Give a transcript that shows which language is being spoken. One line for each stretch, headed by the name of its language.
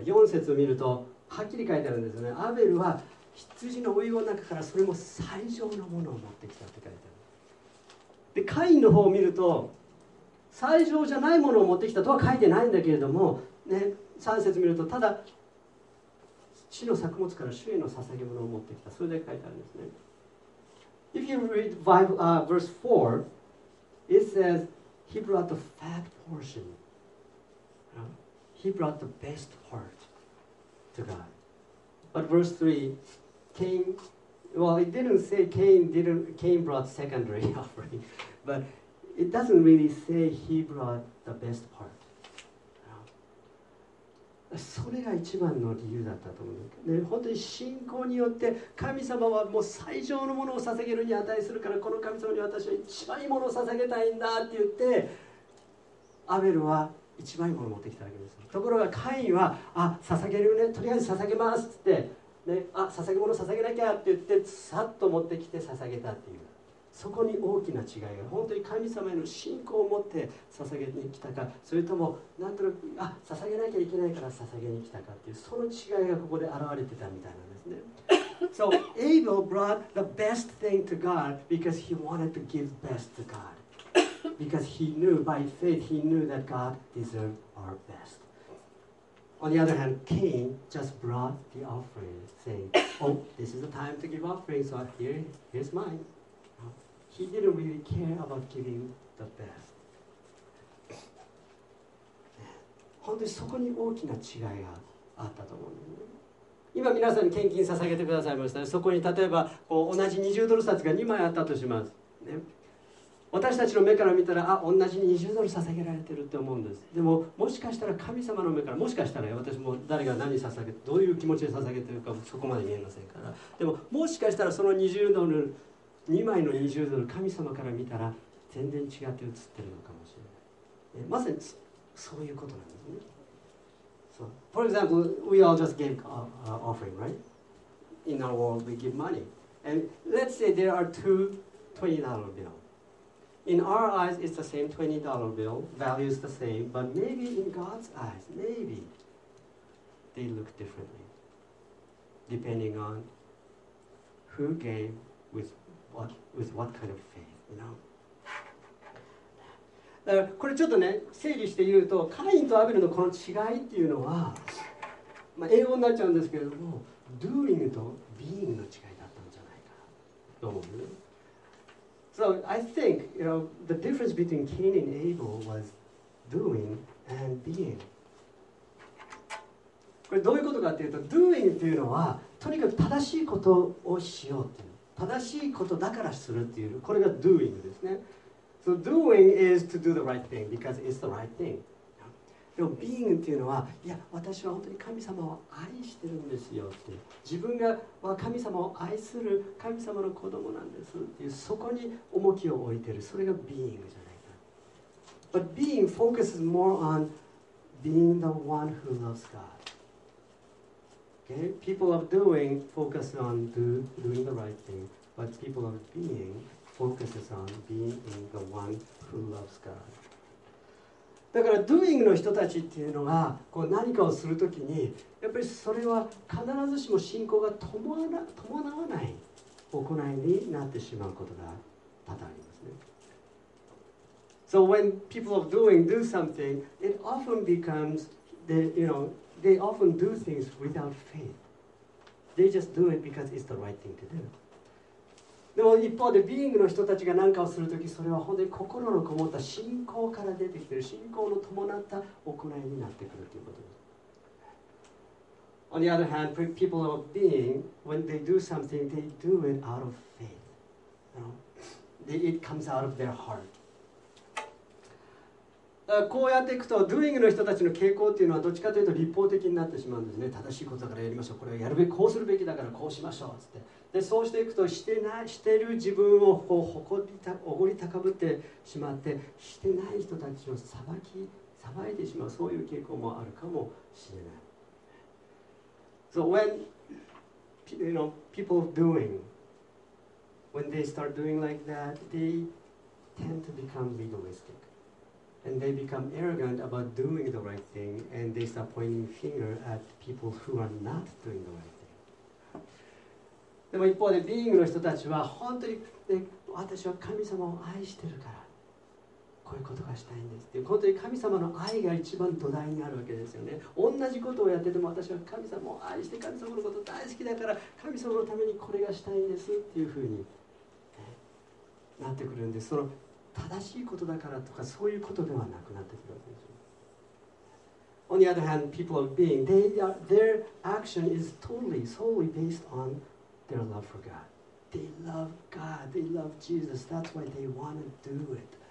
Japanese: 4節を見るとはっきり書いてあるんですよね。アベルは羊のお湯の中からそれも最上のものを持ってきたって書いてある。でカインの方を見ると最上じゃないものを持ってきたとは書いてないんだけれども、ね、3節見るとただ地の作物から主への捧げ物を持ってきた、それだけ書いてあるんですね。
English: If you read verse 4It says he brought the fat portion. He brought the best part to God. But verse 3, Cain, well, it didn't say Cain brought secondary offering, but it doesn't really say he brought the best part.
Japanese: それが一番の理由だったと思う。で、本当に信仰によって神様はもう最上のものを捧げるに値するから、この神様に私は一番いいものを捧げたいんだって言ってアベルは一番いいものを持ってきたわけです。ところがカインは、あ、捧げるね、とりあえず捧げますって言って、ね、あ、捧げ物捧げなきゃって言ってさっと持ってきて捧げたっていう、そこに大きな違いが、本当に神様への信仰を持って捧げに来たか、それともなんとなく、あ、捧げなきゃいけないから捧げに来たかっていう、その違いがここで現れてたみたいなんですね。
English: So Abel brought the best thing to God because he wanted to give best to God. Because he knew by faith, he knew that God deserved our best. On the other hand, Cain just brought the offering, saying, Oh, this is the time to give offering, so here's mine. He didn't really care about giving the best.
Japanese: 本当にそこに大きな違いがあったと思うんですね。今皆さんに献金捧げてくださいました。そこに例えばこう同じ20ドル札が2枚あったとします、ね、私たちの目から見たら、あ、同じ20ドル捧げられてるって思うんです。でももしかしたら神様の目から、もしかしたら私も誰が何捧げて、どういう気持ちで捧げてるかそこまで見えませんから、でももしかしたらその20ドル2枚の20ドル神様から見たら全然違って映ってるのかもしれない。まさにそういうことなんですね。
English: So, for example, we all just gave offering, right? In our world, we give money. And let's say there are two $20 bills. In our eyes, it's the same $20 bill, value is the same, but maybe in God's eyes, maybe they look differently. Depending on who gave with what kind of faith, you know?
Japanese: だからこれちょっとね整理して言うと、カインとアベルのこの違いっていうのは、まあ、英語になっちゃうんですけれども、 doing と being の違いだったんじゃないかと思う。
English: So I think you know, the difference between Cain and Abel was doing and being.
Japanese: これどういうことかっていうと、 doing っていうのはとにかく正しいことをしようっていう、正しいことだからするっていう、これが doing ですね。
English: So doing is to do the right thing because it's the right thing.
Japanese: でも being っていうのは、いや私は本当に神様を愛してるんですよって、自分が神様を愛する神様の子供なんですっていう、そこに重きを置いてる、それが being じゃないか。
English: But being focuses more on being the one who loves GodOkay? People of doing focus on doing the right thing, but people of being focuses on being the one who loves God.
Japanese: だから doing の人たちっていうのがこう何かをするときに、やっぱりそれは必ずしも信仰が伴わない行いになってしまうことが多々ありますね。
English: So when people of doing do something, it often becomes the, you know,They often do things without faith. They just do it because it's the right thing to do.
Japanese: でも一方でビーイングの人たちが何かをするとき、それは本当に心のこもった信仰から出てきている、信仰の伴った行いになってくるということです。
English: On the other hand, people of being, when they do something, they do it out of faith. You know? It comes out of their heart.
Japanese: こうやっていくと、doing の人たちの傾向というのはどっちかというと立法的になってしまうんですね。正しいことだからやりましょう。これをやるべき、こうするべきだからこうしましょうつって。で、そうしていくと、してない、してる自分をこう誇り高ぶってしまって、してない人たちを裁いてしまう、そういう傾向もあるかもしれない。
English: So when you know people doing, when they start doing like that, they tend to become legalistic, and they become arrogant about doing the right thing, and they start pointing finger at people who are not doing the right thing.
Japanese: でも一方で、being の人たちは本当に、ね、私は神様を愛してるからこういうことがしたいんですっていう、本当に神様の愛が一番土台にあるわけですよね。同じことをやってても、私は神様を愛して、神様のこと大好きだから、神様のためにこれがしたいんですっていうふうに、ね、なってくるんです。その正しいことだからとか、そういうことではなくなってくるわけです。
English: On the other hand, people of being, their action is totally, solely based on their love for God. They love God, they love Jesus, that's why they want to do it.